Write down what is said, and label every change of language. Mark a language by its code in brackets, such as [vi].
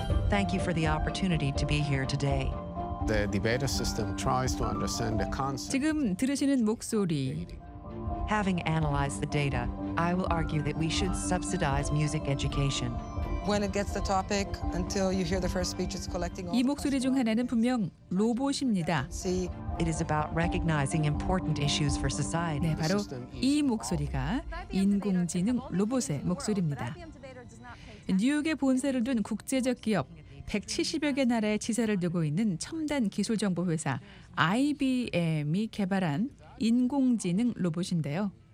[en] Thank you for the opportunity to be here today. The debater system tries to understand the concept. [ko] 지금 들으시는 목소리. [en] Having analyzed the data, I will argue that we should subsidize music education. When it gets the topic until you hear the first speech it's collecting all. [ko] 이 목소리 중 하나는 분명 로봇입니다. [en] See, it is about recognizing important issues for society. [ko] 네, 바로 이 목소리가 인공지능 로봇의 목소리입니다. 뉴욕에 본사를 둔 국제적 기업 170여 개 나라의 지사를 두고 있는 첨단 기술 정보 회사 IBM이 개발한 인공지능 로봇인데요.